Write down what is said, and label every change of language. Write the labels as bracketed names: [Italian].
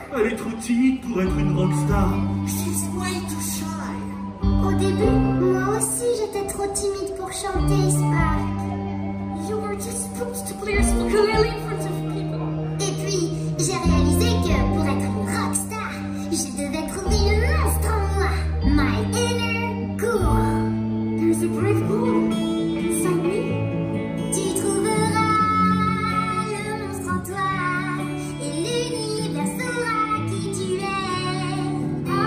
[French] Elle est trop timide pour être une rock star. [English] She's way too shy. [French] Au début, moi aussi j'étais trop timide pour chanter Spark. [English] You were just supposed to play a ukulele in front of people. [French] Et puis, j'ai réalisé que pour être une rockstar, je devais trouver le monstre en moi. [English] My inner ghoul. There's a brave ghoul inside me. [French] Tu trouveras le monstre en toi et l'univers saura qui tu es.